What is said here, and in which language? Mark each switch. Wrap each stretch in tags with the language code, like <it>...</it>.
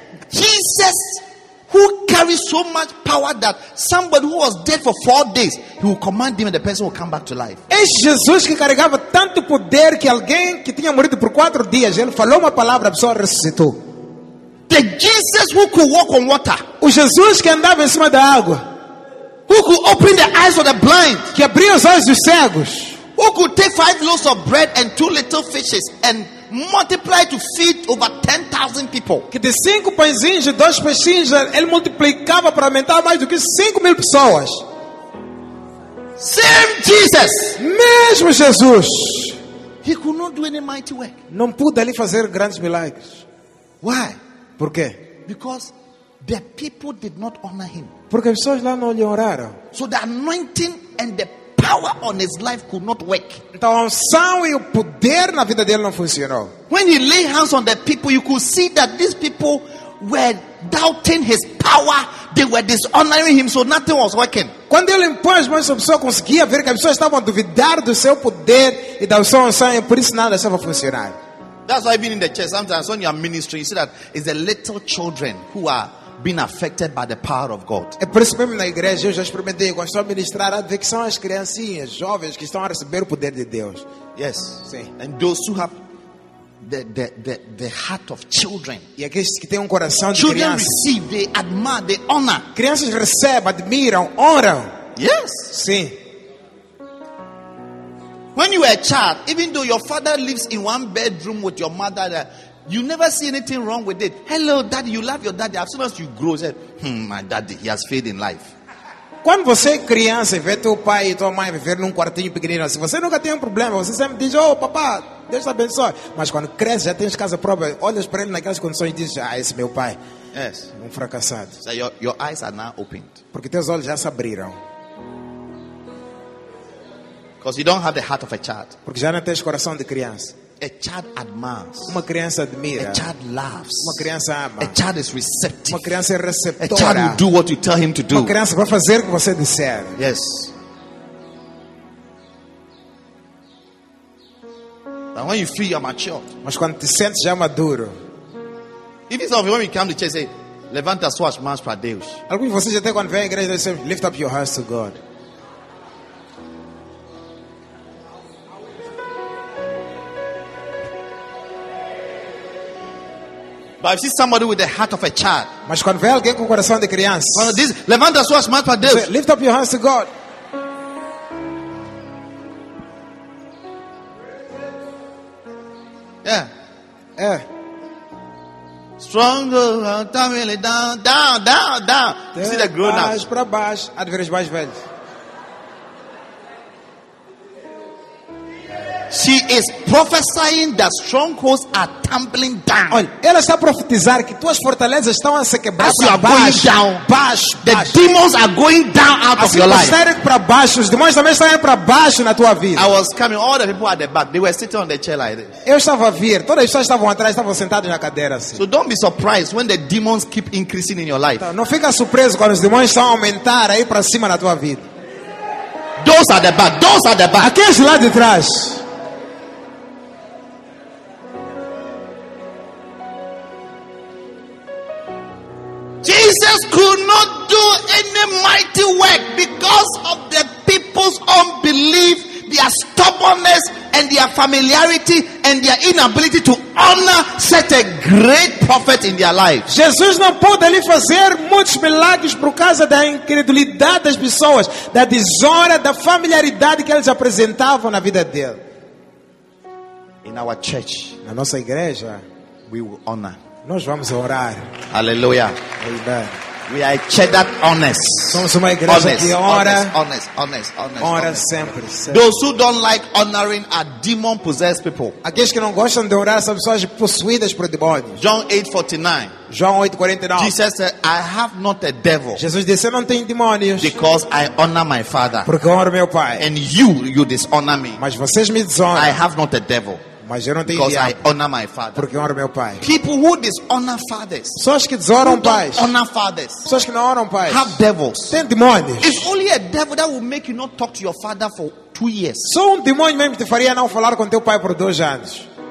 <en>Jesus who carries so much power that somebody who was dead for 4 days, he will command him and the person will come back to life.</en> <pt>É Jesus que carregava tanto poder que alguém que tinha morrido por 4 dias, ele falou uma palavra, a pessoa ressuscitou.</pt> <en>The Jesus who could walk on water.</en> <pt>O Jesus que andava em cima da água.</pt> <en>Who could open the eyes of the blind.</en> <pt>Que abria os olhos dos cegos.</pt> <en>Who could take 5 loaves of bread and 2 little fishes and multiply to feed over 10,000 people.</en> <pt>Que de 5 pãezinhos e 2 peixinhos, ele multiplicava para aumentar mais do que 5,000 pessoas.</pt> <en>Same Jesus.</en> <pt>Mesmo Jesus.</pt> <en>He could not do any mighty work.</en> <pt>Não pôde ali fazer grandes milagres.</pt> <en>Why?</en> <pt>Por quê?</pt> <en>Because the people did not honor him.</en> <pt>Porque as pessoas lá não lhe honraram.</pt> <en>So the anointing and the power on his life could not work.</en> <pt>Então, a unção e o poder na vida dele não funcionou.</pt> <en>When he lay hands on the people, you could see that these people were doubting his power, they were dishonoring him, so nothing was working.</en> <pt>Quando ele impôs as mãos sobre a pessoa, conseguia ver que as pessoas estavam a duvidar do seu poder e da sua unção, e por isso nada estava a funcionar.</pt> <en>That's why being in the church, sometimes when you are ministering, you see that it's the little children who are being affected by the power of God.</en> <pt>É por isso mesmo na igreja, eu já experimentei, quando estou a ministrar, a ver que são as criancinhas, jovens, que estão a receber o poder de Deus.</pt> <en>Yes.</en> <pt>Sim.</pt> <en>And those who have the heart of children.</en> <pt>E aqueles que têm um coração de</pt> <en>children</en> <pt>criança.</pt> <en>Children receive, they admire, they honor.</en> <pt>Crianças recebem, admiram, honram.</pt> <en>Yes.</en> <pt>Sim.</pt> <en>When you were a child, even though your father lives in one bedroom with your mother, you never see anything wrong with it. Hello, daddy, you love your daddy. As soon as you grow, you say, my daddy, he has failed in life.</en> <pt>Quando você é criança e vê teu pai e tua mãe viver num quartinho pequenino, assim, você nunca tem um problema, você sempre diz, oh, papá, Deus te abençoe. Mas quando cresce, já tens casa própria, olhas para ele naquelas condições e dizes, ah, esse meu pai,</pt> <en>yes,</en> <pt>um fracassado.</pt> <en>So your eyes are now opened.</en> <pt>Porque teus olhos já se abriram.</pt> <en>Because you don't have the heart of a child.</en> <pt>Porque já não tens coração de criança.</pt> <en>A child admires.</en> <pt>Uma criança admira.</pt> <en>A child laughs.</en> <pt>Uma criança ama.</pt> <en>A child is receptive.</en> <pt>Uma criança é receptora.</pt> <en>A child will do what you tell him to do.</en> <pt>Uma criança vai fazer o que você disser.</pt> <en>Yes. But when you feel you're mature.</en> <pt>Mas quando te sentes já maduro.</pt> <en>If it's of you, when we come to church, say,</en> <pt>levanta suas mãos para Deus. Alguns de vocês até quando vem à igreja,</pt> <en>they say, lift up your hands to God. But if you see somebody with the heart of a child,</en> <pt>mas quando vê alguém com o coração de criança, quando diz, levanta suas mãos para Deus,</pt> <en>lift up your hands to God. Yeah, yeah. Stronger, family, down, down, down, down. You see the grown up.</en> <pt>Baixo para baixo, adverso mais velho.</pt> <en>She is prophesying that strongholds are tumbling down.</en> <pt>Olha, ela está a profetizar que tuas fortalezas estão a se quebrar.</pt> <en>As you are going down,</en> <pt>baixo,</pt> <en>the demons are going down out</en> <pt>assim,</pt> <en>of your life.</en> <pt>Para baixo, os demônios também estão indo para baixo na tua vida.</pt> <en>I was coming, all the people at the back, they were sitting on the chair like this.</en> <pt>Eu estava a vir, todas as pessoas estavam atrás, estavam sentadas na cadeira assim.</pt> <en>So don't be surprised when the demons keep increasing in your life.</en> <pt>Então, não fica surpreso quando os demônios estão a aumentar aí para cima na tua vida.</pt> <en>Those are the back, those are the back.</en> <pt>Aqueles lá de trás.</pt> <en>Jesus could not do any mighty work because of the people's unbelief, their stubbornness, and their familiarity, and their inability to honor such a great prophet in their life.</en> <pt>Jesus não pôde ali fazer muitos milagres por causa da incredulidade das pessoas, da desonra, da familiaridade que eles apresentavam na vida dele.</pt> <en>In our church,</en> <pt>na nossa igreja,</pt> <en>we will honor.</en> <pt>Nós vamos orar.</pt> <en>Aleluia. We are a church that honors.</en> <pt>Somos uma igreja honest, que ora.</pt> <en>Honest, honest, honest, honest,</en> <pt>ora</pt> <en>honest.</en> <pt>Sempre, sempre.</pt> <en>Those who don't like honoring are demon-possessed people.</en> <pt>Aqueles que não gostam de orar são pessoas possuídas por demônios.</pt> <en>João 8:49. Jesus said, I have not a devil.</en> <pt>Jesus disse, eu não tenho demônios.</pt> <en>Because I honor my father.</en> <pt>Porque eu honro meu pai.</pt> <en>And you dishonor me.</en> <pt>Mas vocês me desonram.</pt> <en>I have not a devil.</en> <pt>Mas eu não tenho</pt> <en>because</en> <pt>diabo,</pt> <en>I honor my father.</en> <pt>Porque eu honro meu pai.</pt> <en>People who dishonor fathers.</en> <pt>Pessoas que desonram pais.</pt> <en>Honor fathers.</en> <pt>Pessoas que não honram pais.</pt> <en>Have devils.</en> <pt>Tem demônios.</pt> <en>It's only a devil that will make you not talk to your father for 2 years.</en> <pt>Só um demônio mesmo te faria não falar com teu pai por 2 anos.</pt>